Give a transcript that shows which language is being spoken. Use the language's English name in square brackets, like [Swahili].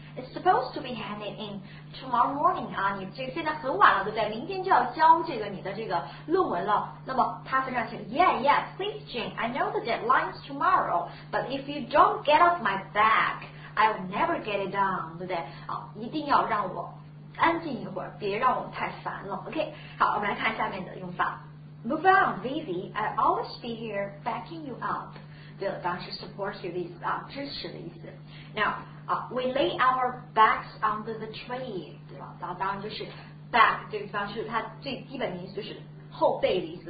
[English] It's supposed to be handed in tomorrow morning. [Chinese] 你这现在很晚了，对不对？明天就要交这个你的这个论文了。那么他非常想 [English] Yeah, please, Jane. I know the deadline's tomorrow. But if you don't get off my back, I'll never get it done. [Chinese] 对不对？一定要让我安静一会儿，别让我太烦了。 OK, 好，我们来看下面的用法。 [English] Move on, Vivi. I'll always be here backing you up. [Chinese] 对了，当时 [English] support you [Chinese] 的意思啊，支持的意思。 [English] Now, we lay our backs under the tree. [Chinese] 对吧？当然就是 back 这个地方是它最基本的意思，就是后背的意思。